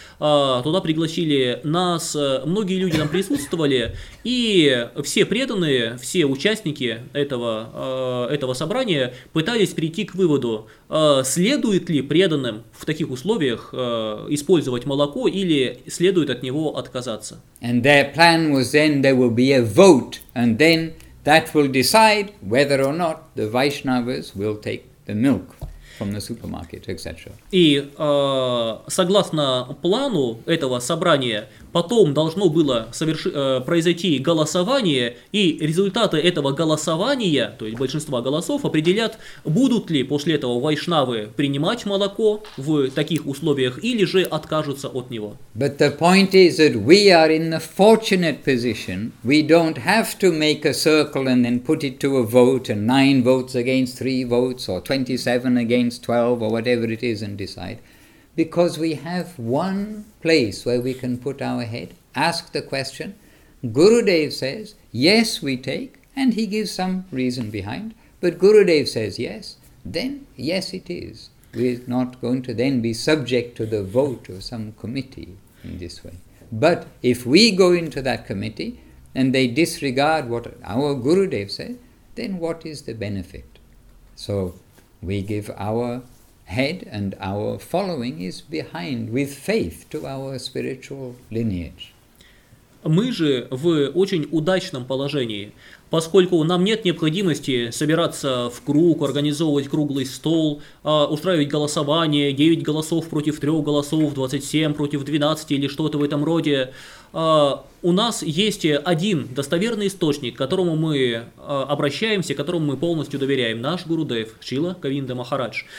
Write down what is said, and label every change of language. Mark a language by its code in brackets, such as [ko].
[ru] Туда пригласили нас. Многие люди там присутствовали. И все преданные, все участники этого собрания пытались прийти к выводу, следует ли преданным в таких условиях использовать молоко или следует от него отказаться. [en] And their plan was then there will be a vote, and then that will decide whether or not the Vaishnavas will take the milk from the supermarket, etc. [ru] И согласно плану этого собрания, потом должно было произойти голосование, и результаты этого голосования, то есть большинства голосов, определят, будут ли после этого вайшнавы принимать молоко в таких условиях или же откажутся от него. [en] But the point is that we are in the fortunate position. We don't have to make a circle and then put it to a vote and 9 votes against 3 votes or 27 against 12 or whatever it is and decide. Because we have one place where we can put our head, ask the question. Gurudev says, yes, we take, and he gives some reason behind. But Gurudev says, yes, then yes, it is. We're not going to then be subject to the vote of some committee in this way. But if we go into that committee and they disregard what our Gurudev said, then what is the benefit? So we give our head and our following is behind with faith to our spiritual lineage. [ru] Мы же в очень удачном положении, поскольку нам нет необходимости собираться в круг, организовывать круглый стол, устраивать голосование, 9 голосов против 3 голосов, 27 против 12 или что-то в этом роде. У нас есть один достоверный источник, к которому мы обращаемся, которому мы полностью доверяем, наш Гурудев Шрила Говинда Махарадж.